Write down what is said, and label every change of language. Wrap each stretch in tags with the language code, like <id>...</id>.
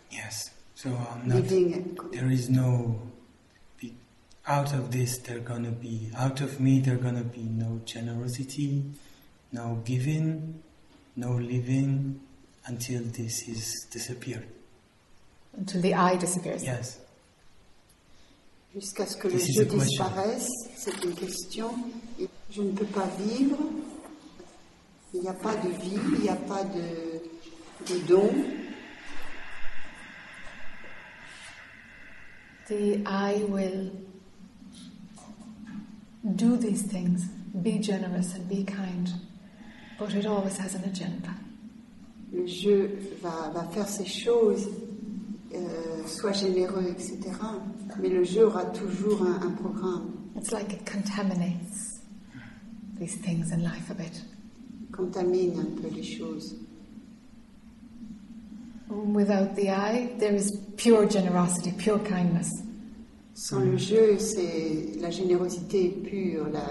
<en>Yes. So I'm not. Leaving. There is no. Out of this, there's going to be. Out of me, there's going to be no generosity, no giving, no living, until this is disappeared. Until the I disappears. Yes.</en> <fr>Jusqu'à ce que le je disparaisse, c'est une question. Je ne peux pas vivre. Il n'y a pas de vie, il n'y a pas de don.</fr> <en>The I will do these things, be generous and be kind, but it always has an agenda.</en> <fr>Le je va faire ces choses, soit généreux, etc. Mais le je aura toujours un programme.</fr> <en>It's like it contaminates these things in life a bit.</en> <fr>Contamine un peu les choses.</fr> <en>Without the I, there is pure generosity, pure kindness.</en> <fr>Sans le jeu, c'est la générosité pure,</fr>